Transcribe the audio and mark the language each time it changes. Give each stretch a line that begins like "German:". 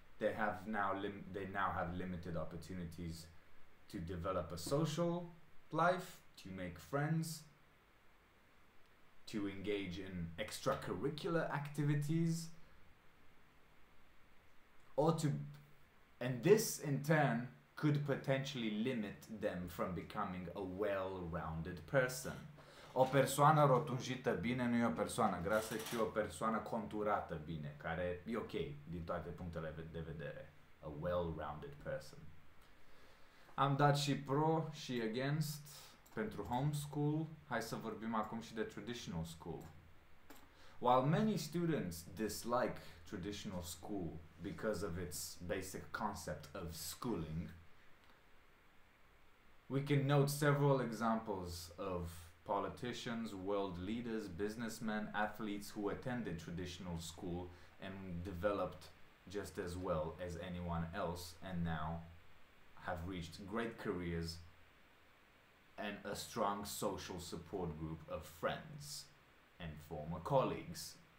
English: They now have limited opportunities to develop a social life, to make friends, to engage in extracurricular activities, and this in turn could potentially limit them from becoming a well-rounded person.
Romanian: O persoană rotunjită bine nu e o persoană grasă, ci o persoană conturată bine, care e ok din toate punctele de vedere.
English: A well-rounded person.
Romanian: Am dat și pro și against pentru homeschool. Hai să vorbim acum și de traditional school.
English: While many students dislike traditional school because of its basic concept of schooling, we can note several examples of politicians, world leaders, businessmen, athletes who attended traditional school and developed just as well as anyone else and now have reached great careers and a strong social support group of friends and former colleagues.